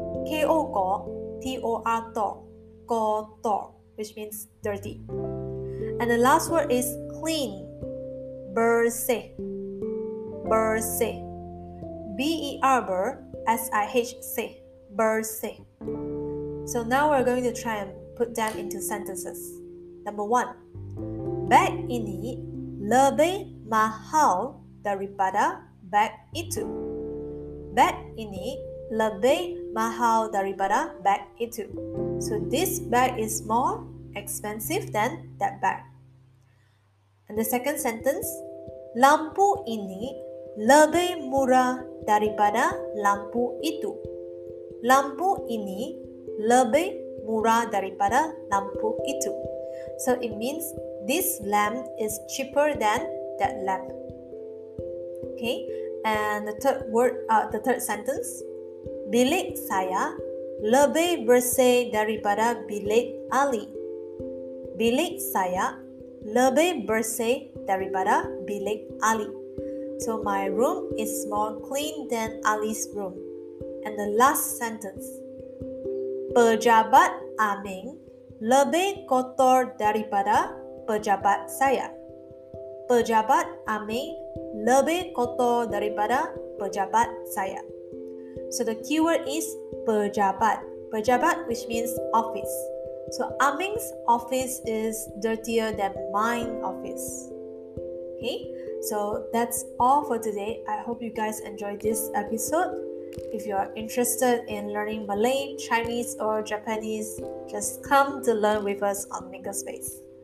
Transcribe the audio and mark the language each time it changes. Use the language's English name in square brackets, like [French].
[English] K-O-K-O-T-O-R-T-O-R. Kotor, which means dirty. And the last word is clean. Bersih. Bersih. B-E-R-S-I-H, say, bersih. So now we're going to try and put them into sentences. Number 1, [Malay] bag ini lebih mahal daripada bag itu. Bag ini lebih mahal daripada bag itu. [English] So this bag is more expensive than that bag. And the second sentence, [Malay] lampu ini lebih murah daripada lampu itu. Lampu ini lebih murah daripada lampu itu. [English] So it means this lamp is cheaper than that lamp. Okay, and the third sentence, [Malay] bilik saya lebih bersih daripada bilik Ali. Bilik saya lebih bersih daripada bilik Ali. [English] So my room is more clean than Ali's room. And the last sentence, [Malay] pejabat Amin lebih kotor daripada pejabat saya. Pejabat Amin lebih kotor daripada pejabat saya. [English] So the keyword is pejabat. Pejabat, which means office. So Amin's office is dirtier than mine office. Okay, so that's all for today. I hope you guys enjoyed this episode. If you are interested in learning Malay, Chinese, or Japanese, just come to learn with us on Mingle Space.